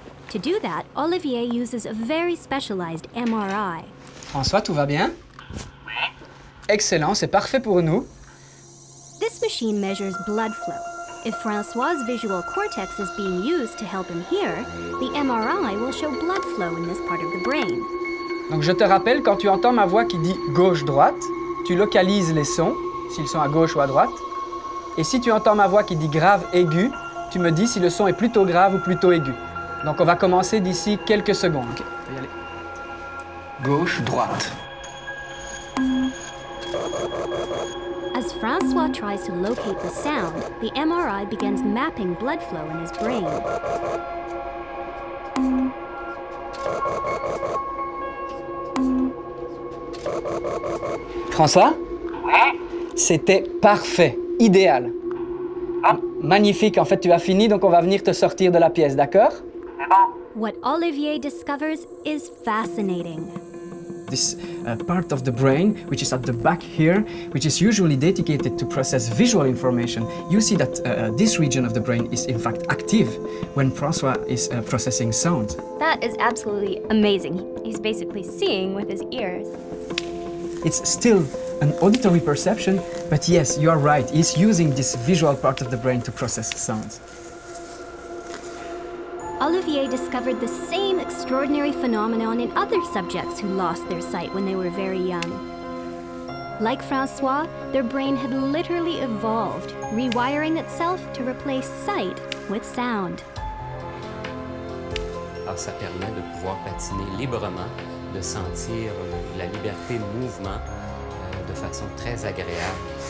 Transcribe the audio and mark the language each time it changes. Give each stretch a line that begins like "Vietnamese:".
English: To do that, Olivier uses a very specialized MRI.
French: François, tout va bien? Oui. Excellent, c'est parfait pour nous.
English: This machine measures blood flow. If François' visual cortex is being used to help him hear, the MRI will show blood flow in this part of the brain.
French: Donc je te rappelle, quand tu entends ma voix qui dit gauche-droite, tu localises les sons, s'ils sont à gauche ou à droite. Et si tu entends ma voix qui dit grave-aigu, tu me dis si le son est plutôt grave ou plutôt aigu. Donc on va commencer d'ici quelques secondes. Ok, on va y aller. Gauche-droite.
English: As François tries to locate the sound, the MRI begins mapping blood flow in his brain.
French: François? Oui? C'était parfait, idéal. Magnifique, en fait tu as fini, donc on va venir te sortir de la pièce, d'accord?
English: What Olivier discovers is fascinating. This part of the brain, which is at the back here, which is usually dedicated to process visual information, you see that this region of the brain is in fact active when François is processing sound. That is absolutely amazing. He's basically seeing with his ears. It's still an auditory perception, but yes, you are right. He's using this visual part of the brain to process sounds. Olivier discovered the same extraordinary phenomenon in other subjects who lost their sight when they were very young. Like Francois, their brain had literally evolved, rewiring itself to replace sight with sound.
French: Alors ça permet de pouvoir patiner librement, de sentir la liberté de mouvement de façon très agréable.